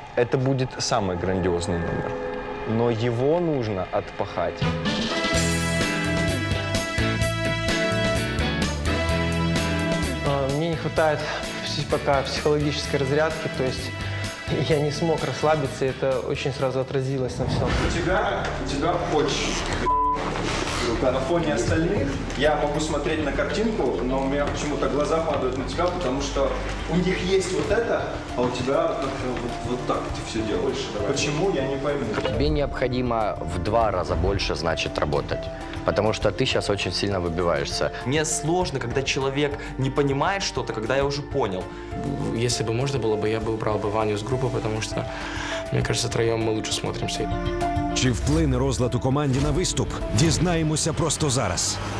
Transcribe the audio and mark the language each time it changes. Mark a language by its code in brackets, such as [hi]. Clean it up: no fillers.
[uk] Це буде найграндіозніший номер, але його потрібно відпахати. Мені не вистачає поки психологічної розрядки, тобто я не зміг розслабитися, і це дуже одразу відразилось на всьому. У тебе хочеться. [ru] На фоне остальных я могу смотреть на картинку, но у меня почему-то глаза падают на тебя, потому что у них есть вот это, а у тебя вот так ты все делаешь. Почему, я не пойму. Тебе необходимо в два раза больше, значит, работать. Потому что ты сейчас очень сильно выбиваешься. Мне сложно, когда человек не понимает что-то, когда я уже понял. Если бы можно было бы, я бы убрал бы Ваню с группы, потому что, мне кажется, втроем мы лучше смотримся. [uk] Чи вплине розлад у команді на виступ? Дізнаємося просто зараз.